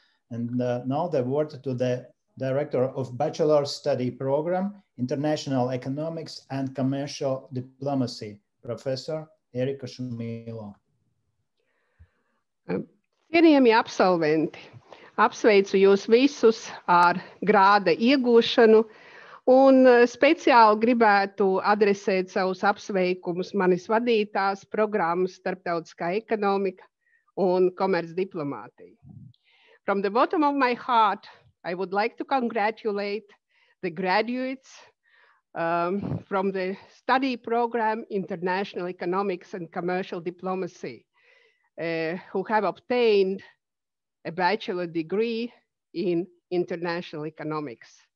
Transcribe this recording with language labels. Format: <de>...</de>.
<en>And now the word to the director of bachelor study program, international economics and commercial diplomacy, professor Erika Šumilo.</en> <lv>Cienījami absolventi! Apsveicu jūs visus ar grāda iegūšanu un speciāli gribētu adresēt savus apsveikumus manis vadītās programmas starptautiskā ekonomika un komercdiplomātija.</lv> <en>From the bottom of my heart, I would like to congratulate the graduates from the study program International Economics and Commercial Diplomacy who have obtained a bachelor degree in international economics.</en>